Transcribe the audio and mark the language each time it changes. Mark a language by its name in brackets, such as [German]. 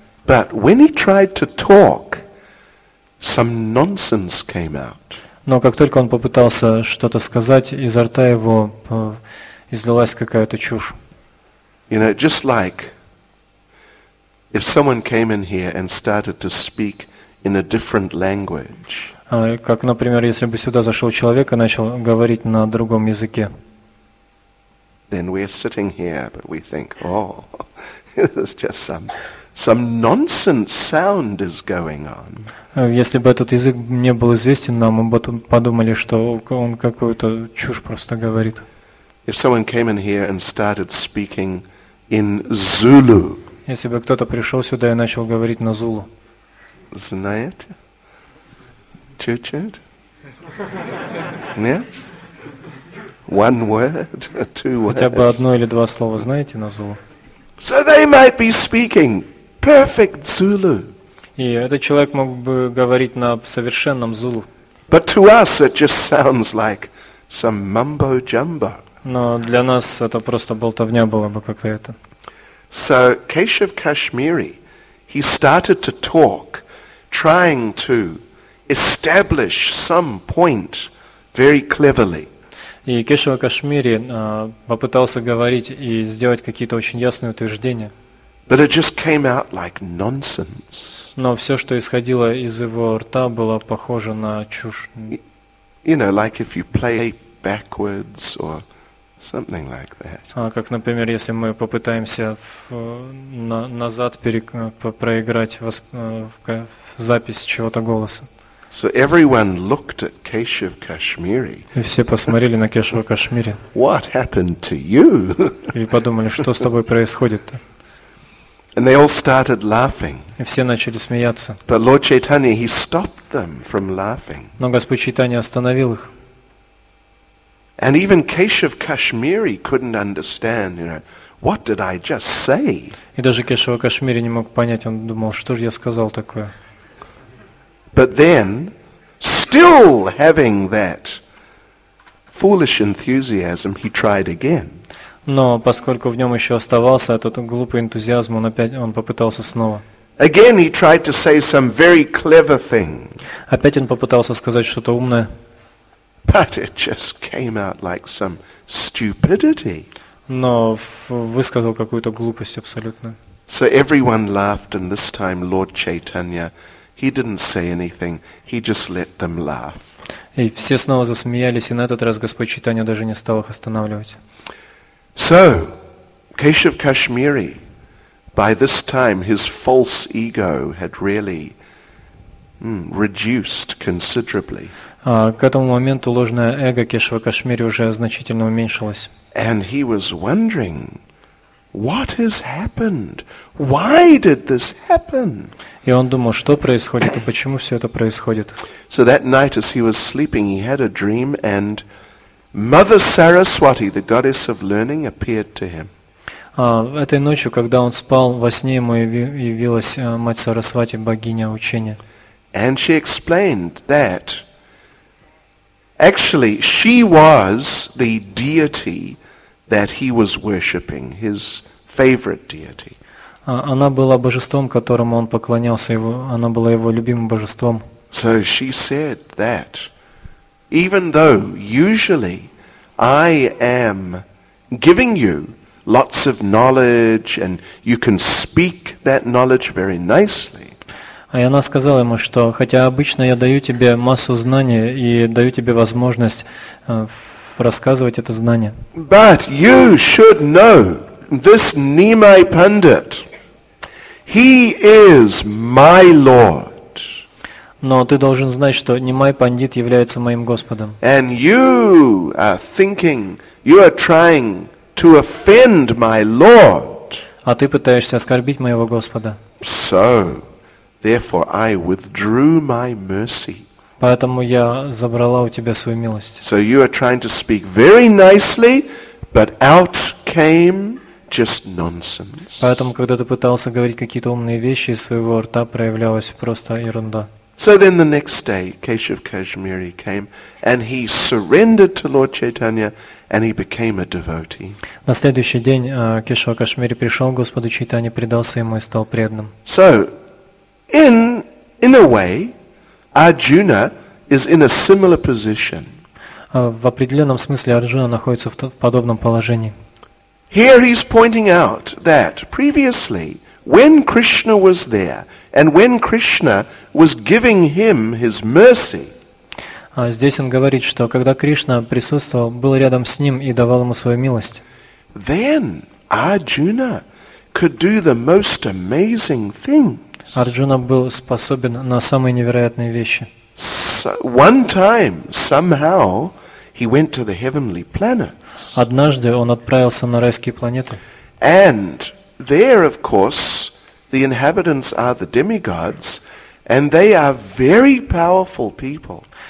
[English] But when he tried to talk, some nonsense came out. [Russian] Но как только он попытался что-то сказать, изо рта его излилась какая-то чушь. [English] You know, just like if someone came in here and started to speak in a different language. [Russian] Как, например, если бы сюда зашел человек и начал говорить на другом языке. [English] Then we're sitting here, but we think, oh, this is just some nonsense sound is going on. [Russian] Если бы этот язык не был известен нам, мы бы подумали, что он какую-то чушь просто говорит. [English] If someone came in here and started speaking in Zulu. [Russian] Если бы кто-то пришел сюда и начал говорить на зулу. Знаете? Чуть-чуть? Нет? [English] One word, two words. [Russian] Хотя бы одно или два слова знаете на зулу? [English] So they might be speaking perfect Zulu. [Russian] И этот человек мог бы говорить на совершенном зулу. [English] But to us it just sounds like some mumbo-jumbo. [Russian] Но для нас это просто болтовня была бы какая-то. [English] So Keshav Kashmiri, he started to talk, trying to establish some point very cleverly. [Russian] И Кешав Кашмири попытался говорить и сделать какие-то очень ясные утверждения. [English] But it just came out like nonsense. [Russian] Но все, что исходило из его рта, было похоже на чушь. [English] You know, like if you play backwards or something like that. [Russian] Как, например, если мы попытаемся назад проиграть в запись чего-то голоса. [English] So everyone looked at Keshav Kashmiri. [Russian] И все посмотрели на Кешава Кашмири. [English] What happened to you? [Russian] И подумали, что с тобой происходит-то? [English] And they all started laughing. [Russian] И все начали смеяться. [English] But Lord Chaitanya, he stopped them from laughing. [Russian] Но Господь Чайтанья остановил их. [English] And even Keshav Kashmiri couldn't understand, you know, What did I just say? [Russian] И даже Кешава Кашмири не мог понять, он думал, что же я сказал такое. [English] But then, still having that foolish enthusiasm, he tried again. [Russian] Но поскольку в нем еще оставался этот глупый энтузиазм, он попытался снова. [English] Again he tried to say some very clever thing. [Russian] Опять он попытался сказать что-то умное. [English] But it just came out like some stupidity. [Russian] Но высказал какую-то глупость абсолютно. [English] So everyone laughed, and this time Lord Chaitanya, he didn't say anything. He just let them laugh. [Russian] И все снова засмеялись, и на этот раз Господь Чайтанья даже не стал их останавливать. [English] So, Keshav Kashmiri, by this time his false ego had really reduced considerably. [Russian] К этому моменту ложное эго Кешава Кашмири уже значительно уменьшилось. [English] And he was wondering, what has happened? Why did this happen? [Russian] И он думал, что происходит и почему все это происходит. [English] So that night, as he was sleeping, he had a dream and Mother Saraswati, the goddess of learning, appeared to him. [Russian] Этой ночью, когда он спал, во сне ему явилась мать Сарасвати, богиня учения. [English] And she explained that actually she was the deity that he was worshipping, his favorite deity. [Russian] Она была божеством, которому он поклонялся, она была его любимым божеством. [English] So she said that even though usually I am giving you lots of knowledge and you can speak that knowledge very nicely. [Russian] А она сказала ему, что хотя обычно я даю тебе массу знаний и даю тебе возможность рассказывать это знание. [English] But you should know this Nimai Pandit. He is my Lord. [Russian] Но ты должен знать, что Нимай Пандит является моим Господом. [English] And you are thinking, you are trying to offend my Lord. [Russian] А ты пытаешься оскорбить моего Господа. [English] So, therefore, I withdrew my mercy. [Russian] Поэтому я забрала у тебя свою милость. [English] So you are trying to speak very nicely, but out came just nonsense. [Russian] Поэтому, когда ты пытался говорить какие-то умные вещи, из своего рта проявлялась просто ерунда. [English] So then the next day, Keshav Kashmiri came and he surrendered to Lord Chaitanya and he became a devotee. [Russian] На следующий день Кешава Кашмири пришел к Господу Чайтанье, предался ему и стал преданным. [English] So, in a way, Arjuna is in a similar position. [Russian] В определенном смысле Арджуна находится в подобном положении. [English] Here he's pointing out that previously, when Krishna was there, and when Krishna was giving him his mercy. [Russian] Здесь он говорит, что когда Кришна присутствовал, был рядом с ним и давал ему свою милость. [English] Then Arjuna could do the most amazing things. [Russian] Арджуна был способен на самые невероятные вещи. [English] One time, somehow, he went to the heavenly planets. [Russian] Однажды он отправился на райские планеты. [English] And there, of course, the inhabitants are the demigods, and they are very powerful people.